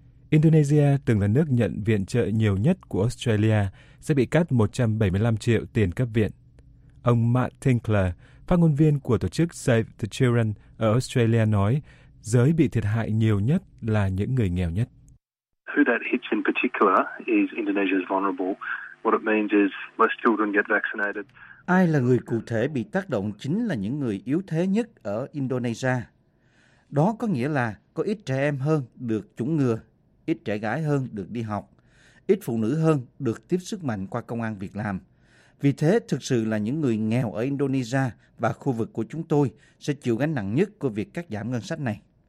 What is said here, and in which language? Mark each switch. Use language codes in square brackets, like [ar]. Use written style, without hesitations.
[vi] Indonesia, từng là nước nhận viện trợ nhiều nhất của Australia, sẽ bị cắt 175 triệu tiền cấp viện. Ông Matt Tinkler, phát ngôn viên của tổ chức Save the Children ở Australia nói, giới bị thiệt hại nhiều nhất là những người nghèo nhất. [en] Who that hits in particular is Indonesia's vulnerable. What it means is most children get vaccinated. [vi] Ai là người cụ thể bị tác động chính là những người yếu thế nhất ở Indonesia. Đó có nghĩa là có ít trẻ em hơn được chủng ngừa, ít trẻ gái hơn được đi học, ít phụ nữ hơn được tiếp sức mạnh qua công ăn việc làm. Vì thế, thực sự là những người nghèo ở Indonesia và khu vực của chúng tôi sẽ chịu gánh nặng nhất của việc cắt giảm ngân sách này.